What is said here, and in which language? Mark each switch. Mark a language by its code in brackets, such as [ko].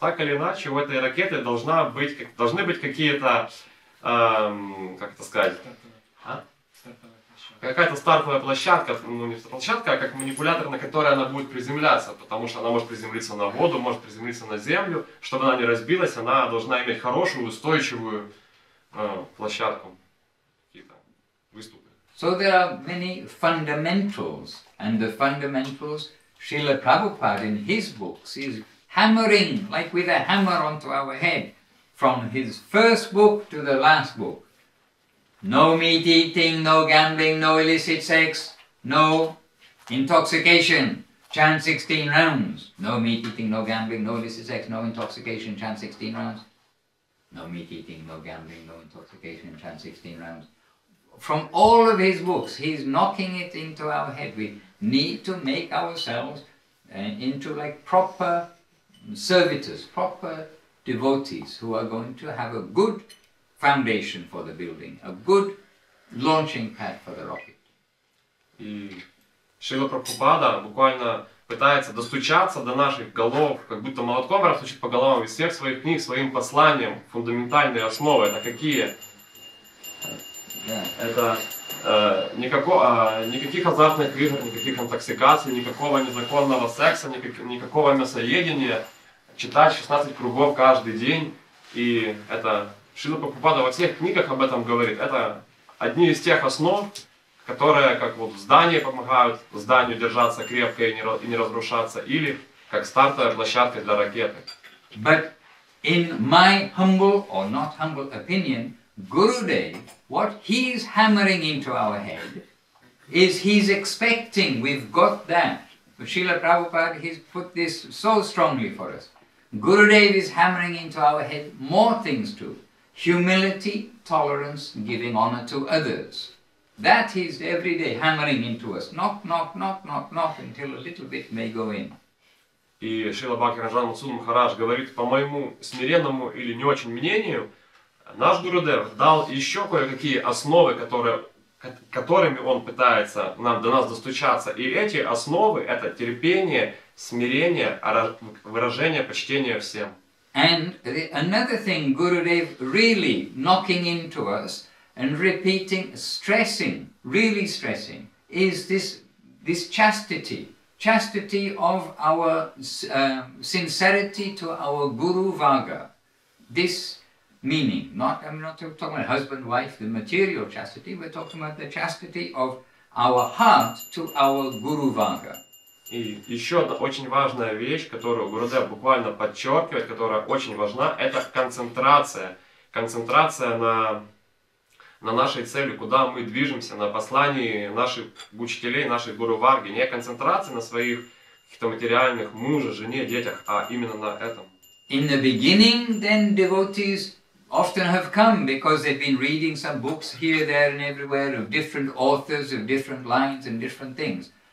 [ru] Так или иначе, у этой ракеты должны быть какие-то, как это сказать, какая-то стартовая площадка, ну не площадка, а как манипулятор, на который она будет приземляться, потому что она может приземлиться на воду, может приземлиться на землю. Чтобы она не разбилась, она должна иметь хорошую, устойчивую площадку, какие-то выступы. [en] So there are many fundamentals, and the fundamentals Srila Prabhupada in his books is hammering, like with a hammer onto our head, from his first book to the last book. No meat eating, no gambling, no illicit sex, no intoxication, chant 16 rounds. No meat eating, no gambling, no illicit sex, no intoxication, chant 16 rounds. No meat eating, no gambling, no intoxication, chant 16 rounds. From all of his books, he's knocking it into our head. We need to make ourselves into like proper servitors, proper devotees who are going to have a good foundation for the building, a good launching pad for the rocket. [ru] И Шрила Прабхупада буквально пытается достучаться до наших голов, как будто молотком растучит по головам из всех своих книг, своим посланием, фундаментальные основы. Это какие? [en] Yeah. [ru] Это никаких азартных игр, никаких интоксикаций, никакого незаконного секса, никакого мясоедения. Читать 16 кругов каждый день, и это Шрила Прабхупада во всех книгах об этом говорит. Это одни из тех основ, которые как вот здание помогают зданию держаться крепко и не разрушаться, или как стартовая площадка для ракеты. [en] But in my humble or not humble opinion, Gurudev, what he's hammering into our head is he's expecting we've got that. Srila Prabhupada, he's put this so strongly for us. Gurudev is hammering into our head more things too. Humility, tolerance, giving honor to others. That is every day hammering into us. Knock, knock, knock, knock, knock, until a little bit may go in. [ru] И Шрила Бхакти Раджан Суд Махарадж говорит, по моему смиренному или не очень мнению, наш Гурудев дал еще кое-какие основы, которыми он пытается до нас достучаться. И эти основы — это терпение, смирение, выражение почтения всем. [en] And another thing Gurudev really knocking into us and repeating, stressing, really stressing, is this chastity. Chastity of our sincerity to our Guru Varga. This meaning, I'm not talking about husband, wife, the material chastity, we're talking about the chastity of our heart to our Guru Varga. [ru] И еще одна очень важная вещь, которую Гурудев буквально подчеркивает, которая очень важна, это концентрация. Концентрация на нашей цели, куда мы движемся, на послании наших учителей, нашей Гуру Варги. Не концентрация на своих каких-то материальных муже, жене, детях, а именно на этом. [en] In the beginning, then devotees often have come because they've been reading some books here, there and everywhere of different authors, of different lines and different things.